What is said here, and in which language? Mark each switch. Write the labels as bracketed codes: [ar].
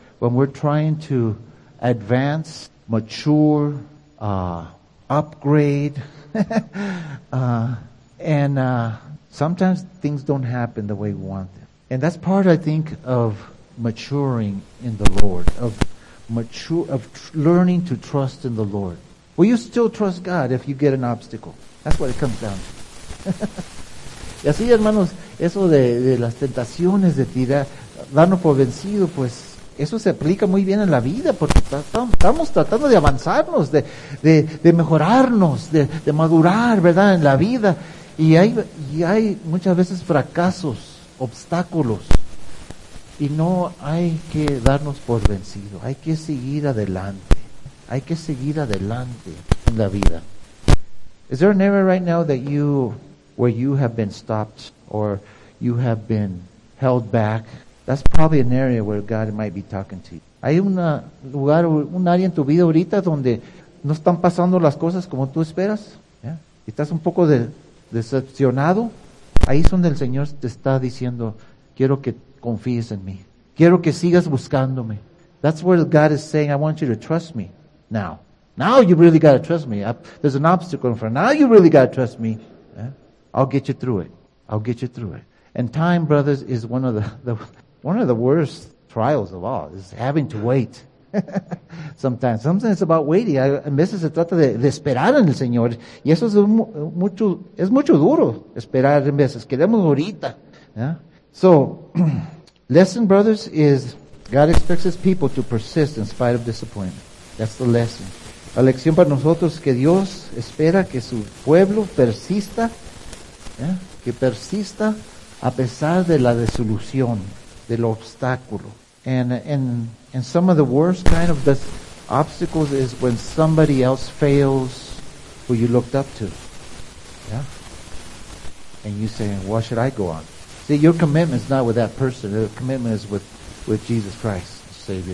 [en] When we're trying to advance, mature, upgrade, sometimes things don't happen the way we want them. And that's part, I think, of maturing in the Lord, learning to trust in the Lord. Will you still trust God if you get an obstacle? That's what it comes down to. [es] Y así, hermanos, eso de las tentaciones de tirar, darnos por vencido, pues eso se aplica muy bien en la vida, porque estamos tratando de avanzarnos, de mejorarnos, de madurar, ¿verdad?, en la vida. Y hay muchas veces fracasos, obstáculos, y no hay que darnos por vencido. Hay que seguir adelante. Hay que seguir adelante en la vida. [en] Is there an area right now that you where you have been stopped or you have been held back, that's probably an area where God might be talking to you. [es] Hay una lugar, un área en tu vida ahorita donde no están pasando las cosas como tú esperas. Yeah. Estás un poco decepcionado. Ahí es donde el Señor te está diciendo, quiero que confíes en mí. Quiero que sigas buscándome. [en] That's where God is saying, I want you to trust me now. Now you really got to trust me. There's an obstacle in front. Now you really got to trust me. Yeah. I'll get you through it. I'll get you through it. And time, brothers, is one of the worst trials of all, is having to wait. Sometimes it's about waiting. [es] A veces se trata de esperar en el Señor. Y eso es mucho duro, esperar en veces. Queremos ahorita. [en] Yeah? So, lesson, brothers, is God expects his people to persist in spite of disappointment. That's the lesson. [es] La lección para nosotros es que Dios espera que su pueblo persista, yeah? Que persista a pesar de la desilusión, del obstáculo. [en] And some of the worst kind of obstacles is when somebody else fails who you looked up to. Yeah? And you say, why should I go on? See, your commitment is not with that person. Your commitment is with Jesus Christ, the Savior.